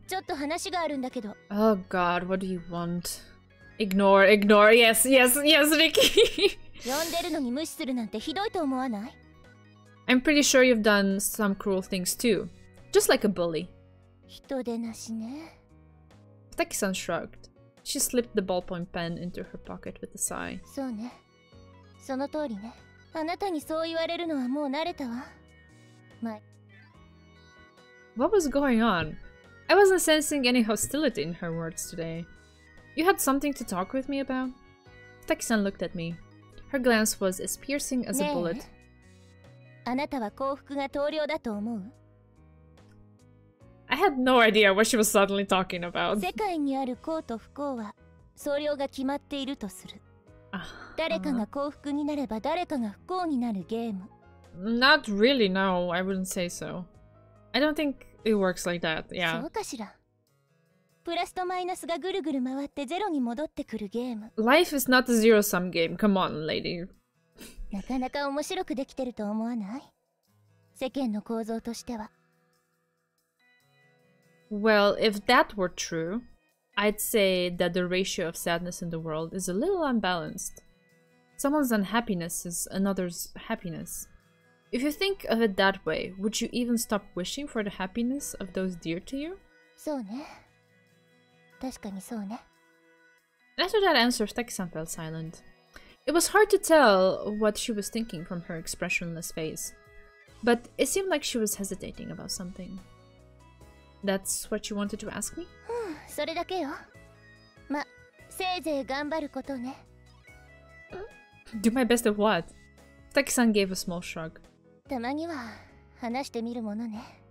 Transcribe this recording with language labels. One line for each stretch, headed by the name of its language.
Japanese: ちょっと話があるんだけど。
English: Oh god, what do you want? Ignore, ignore, yes, yes, yes, Ricky!
Japanese: 呼んでるのに無視するなんてひどいと思わない?
English: I'm pretty sure you've done some cruel things too. Just like a bully.
Japanese: 人でなしね。
English: Futaki-san shrugged. She slipped the ballpoint pen into her pocket with a sigh.
Japanese: そうね。その通りね。あなたにそう言われるのはもう慣れたわ。まあ。
English: What was going on? I wasn't sensing any hostility in her words today. You had something to talk with me about? Futaki-san looked at me. Her glance was as piercing as a bullet.
Japanese: あなたは幸福が投了だと思う?
English: I had no idea what she was suddenly talking about.
Japanese: 世界にある幸と不幸は総量が決まっているとする。誰かが幸福になれば誰かが不幸になるゲーム。
English: Not really, no. I wouldn't say so. I don't think it works like that, yeah.
Japanese: そうかしら。プラスとマイナスがぐるぐる回ってゼロに戻ってくるゲーム。
English: Life is not a zero-sum game. Come on, lady.
Japanese: なかなか面白くできてると思わない? 世間の構造としては。
English: Well, if that were true, I'd say that the ratio of sadness in the world is a little unbalanced. Someone's unhappiness is another's happiness. If you think of it that way, would you even stop wishing for the happiness of those dear to you?
Japanese: そうね。確かにそうね。
English: After that answer, Futaki-san fell silent. It was hard to tell what she was thinking from her expressionless face, but it seemed like she was hesitating about something. That's what you wanted to ask me?
Japanese: それだけよ。ま、せいぜい頑張ることね。
English: Do my best at what? Futaki-san gave a small shrug.
Japanese: たまには話してみるものね。